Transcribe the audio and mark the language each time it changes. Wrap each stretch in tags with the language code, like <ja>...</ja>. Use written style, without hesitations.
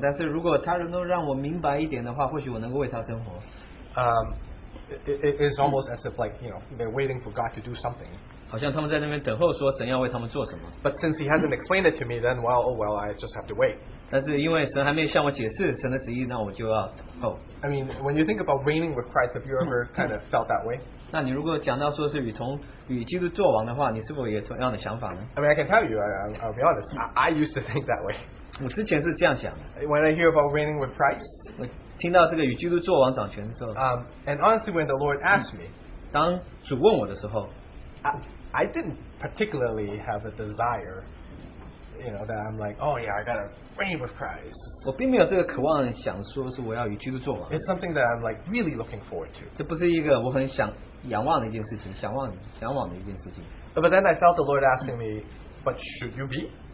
<en>it's almost as if, like, you know, they're waiting for God to do something. But since he hasn't explained it to me, then, well, oh well, I just have to wait.</en> <zh>但是因为神还没向我解释神的旨意,</zh> <en>I mean, when you think about reigning with Christ, have you ever kind of felt that way?</en> <zh>那你如果讲到说是与基督作王的话,</zh> <en>I mean, I can tell you, I'll be honest, I used to think that way.</en> <zh>我之前是这样想的,</zh> <en>when I hear about reigning with Christ,</en> <zh>听到这个与基督作王掌权的时候,</zh> <en>and honestly, when the Lord asked me,</en> <zh>当主问我的时候,</zh> <en>I didn't particularly have a desire, you know, that I'm like, oh yeah, I gotta reign with Christ. It's something that I'm like really looking forward to.</en> <zh>这不是一个我很想仰望的一件事情，向往的一件事情。</zh> <en>But then I felt the Lord asking me, but should you be?</en>